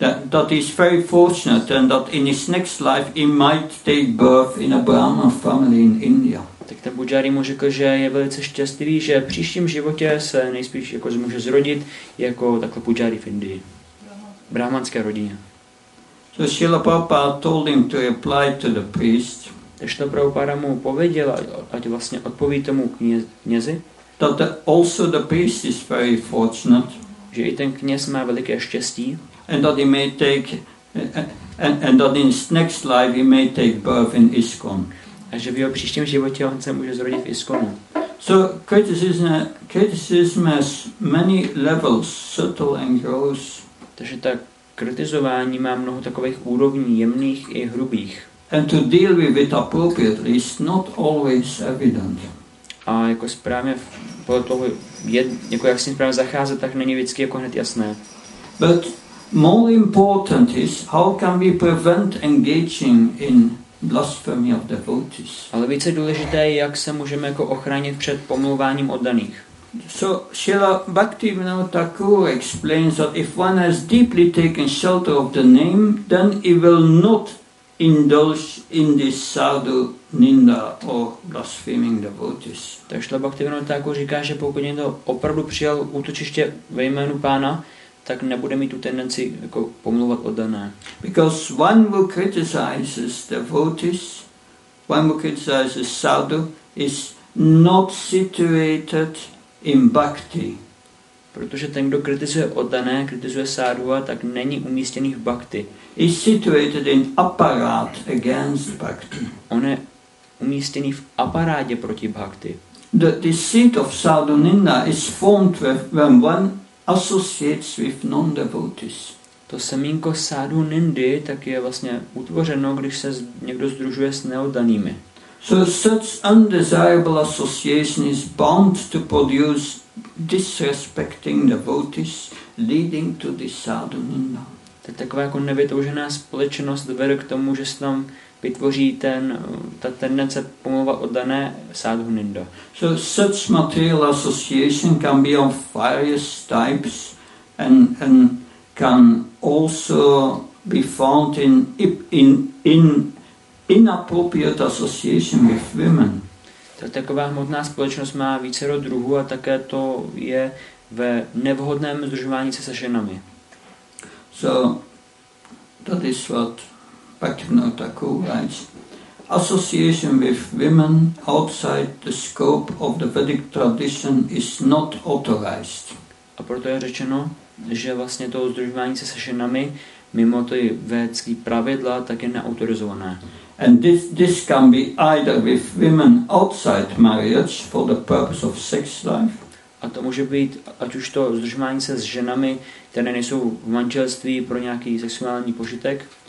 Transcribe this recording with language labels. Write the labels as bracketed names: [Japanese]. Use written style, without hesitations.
[English] That he's very fortunate and that in his next life he might take birth in a Brahmin family in India. [Czech] Tak ten Bujari mu řekl, že je velice šťastný, že v příštím životě se nejspíš jako může zrodit jako takhle Bujari v Indii. Brahmanské rodině. [English] So Srila Prabhupada told him to reply to the priest. [Czech] Tak Srila Prabhupada mu pověděl, ať vlastně odpoví tomu knězi. [English] That also the priest is very fortunate. [Czech] Že i ten kněz má veliké štěstí. [English] And that he may take and that in his next life he may take birth in ISKCON. [Czech] A že v jeho příštím životě on se může zrodit v ISKCONu. [English] So criticism has many levels, subtle and gross. [Czech] Takže ta kritizování má mnoho takových úrovní, jemných i hrubých. [English] And to deal with it appropriately is not always evident. [Czech] A jako správně podle toho, jako jak s ním správně zacházet, tak není vždycky jako hned jasné. [English] But more important is how can we prevent engaging in blasphemy of devotees. [Czech] Ale více důležité je, jak se můžeme jako ochránit před pomlouváním oddaných. [English] So Srila Bhaktivinoda Thakur explains that if one has deeply taken shelter of the name, then he will not indulge in this sadhu ninda or blaspheming devotees. [Czech] Tak Srila Bhaktivinoda Thakur říká, že pokud někdo opravdu přijal útočiště ve jménu pána, tak nebude mít tu tendenci jako pomluvat oddané. [English] Because one who criticizes devotees, one who criticizes sadhu, is not situated in bhakti. [Czech] Protože ten, kdo kritizuje oddané, kritizuje sádhuva, tak není umístěný v bhakti. [English] Is situated in apparat against bhakti. [Czech] On je umístěný v aparátě proti bhakti. [English] The seat of sadhuninda is formed when one associates with non-devotees. [Czech] To semínko sádhu nindy tak je vlastně utvořeno, když se někdo združuje s neoddanými. [English] So such undesirable association is bound to produce disrespecting devotees, leading to the sadhu nindā. [Czech] To je taková jako nevytoužená společnost vede k tomu, že se tam vytvoří ta tendence pomlouvat oddané sadhu nindā. [English] So such material association can be of various types and can also be found in inappropriate association with women. [Czech] Ta taková hmotná společnost má vícero druhů a také to je ve nevhodném združování se ženami. [English] So that is what Bhaktivinoda Thakur writes. Association with women outside the scope of the Vedic tradition is not authorized. [Czech] A proto je řečeno, že vlastně to združování se ženami mimo ty védský pravidla tak je neautorizované. [English] And this can be either with women outside marriage for the purpose of sex life. [Czech] A to může být ať už to združování se s ženami, které nejsou v manželství pro nějaký sexuální požitek.